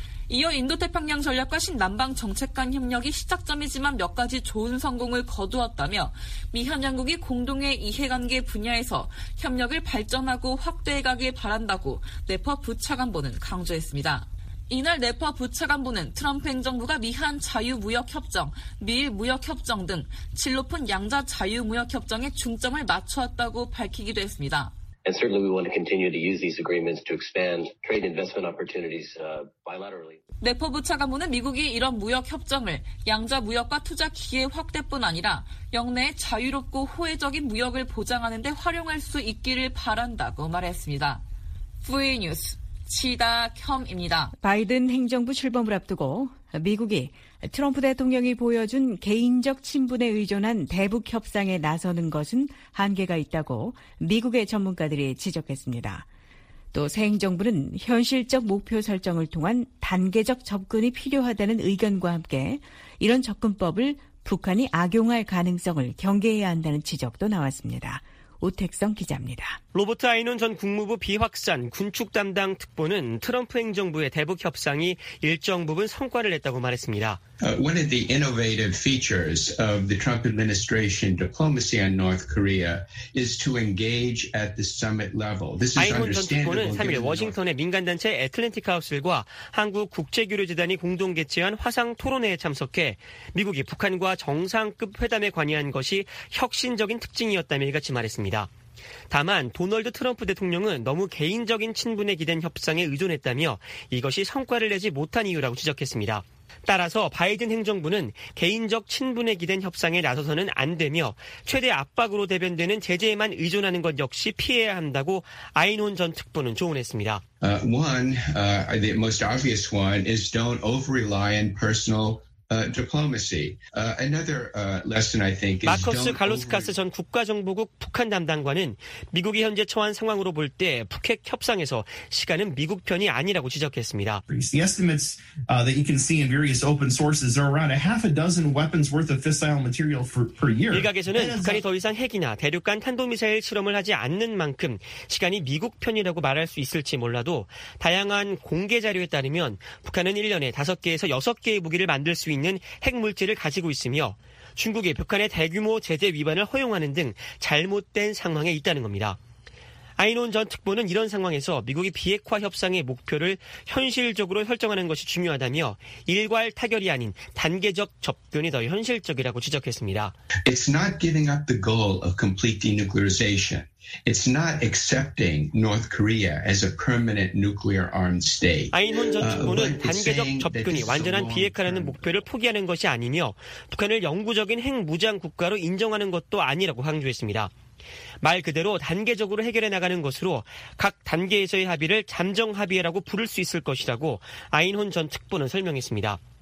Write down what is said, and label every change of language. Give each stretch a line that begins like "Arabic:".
Korean: 이어 인도태평양 전략과 신남방 정책 간 협력이 시작점이지만 몇 가지 좋은 성공을 거두었다며 미한 양국이 공동의 이해관계 분야에서 협력을 발전하고 확대해가길 바란다고 네퍼 부차관보는 강조했습니다. 이날 네퍼 부차관보는 트럼프 행정부가 미한 자유무역협정, 미일무역협정 등 질 높은 양자 자유무역협정에 중점을 맞추었다고 밝히기도 했습니다.
English: And certainly we want to continue to use these agreements to expand trade investment opportunities bilaterally.
Korean: 네퍼부 차관보는 미국이 이런 무역 협정을 양자 무역과 투자 기회 확대뿐 아니라 영내의 자유롭고 호혜적인 무역을 보장하는 데 활용할 수 있기를 바란다고 말했습니다. VOA 뉴스 지다켐입니다. 바이든 행정부 출범을 앞두고 미국이 트럼프 대통령이 보여준 개인적 친분에 의존한 대북 협상에 나서는 것은 한계가 있다고 미국의 전문가들이 지적했습니다. 또 새 행정부는 현실적 목표 설정을 통한 단계적 접근이 필요하다는 의견과 함께 이런 접근법을 북한이 악용할 가능성을 경계해야 한다는 지적도 나왔습니다. 오택성 기자입니다. 로버트 아이논 전 국무부 비확산 군축 담당 특보는 트럼프 행정부의 대북 협상이 일정 부분 성과를 냈다고 말했습니다.
English: One of the innovative features of the Trump administration diplomacy on North Korea is to engage at the summit level. This is understandable.
Korean: 아이논 전 특보는 3일 워싱턴의 민간 단체 애틀랜틱 하우스와 한국 국제교류재단이 공동 개최한 화상 토론회에 참석해 미국이 북한과 정상급 회담에 관여한 것이 혁신적인 특징이었다며 이같이 말했습니다. 다만 도널드 트럼프 대통령은 너무 개인적인 친분에 기댄 협상에 의존했다며 이것이 성과를 내지 못한 이유라고 지적했습니다. 따라서 바이든 행정부는 개인적 친분에 기댄 협상에 나서서는 안 되며 최대 압박으로 대변되는 제재에만 의존하는 것 역시 피해야 한다고 아이논 전 특보는 조언했습니다.
English: The most obvious one is don't over-rely on personal diplomacy. Another lesson I think is
Korean: 마커스 갈로스카스 전 국가정보국 북한 담당관은 미국이 현재 처한 상황으로 볼 때 북핵 협상에서 시간은 미국 편이 아니라고 지적했습니다.
English: The estimates that you can see in various open sources are around a half a dozen weapons worth of fissile material per year.
Korean: 일각에서는 북한이 더 이상 핵이나 대륙간 탄도미사일 실험을 하지 않는 만큼 시간이 미국 편이라고 말할 수 있을지 몰라도 다양한 공개 자료에 따르면 북한은 1년에 5개에서 6개의 무기를 만들 수 있는 핵물질을 가지고 있으며 중국이 북한의 대규모 제재 위반을 허용하는 등 잘못된 상황에 있다는 겁니다. 아이논 전 특보는 이런 상황에서 미국이 비핵화 협상의 목표를 현실적으로 설정하는 것이 중요하다며 일괄 타결이 아닌 단계적 접근이 더 현실적이라고 지적했습니다.
English: It's not giving up the goal of complete denuclearization. It's not accepting North Korea as a permanent nuclear armed state.
Korean: 아이논 전 특보는 단계적 접근이 완전한 비핵화라는 목표를 포기하는 것이 아니며 북한을 영구적인 핵무장 국가로 인정하는 것도 아니라고 강조했습니다. 말 그대로 단계적으로 해결해 나가는 것으로 각 단계에서의 합의를 잠정 합의라고 부를 수 있을 것이라고 아인혼 전 특보는 설명했습니다.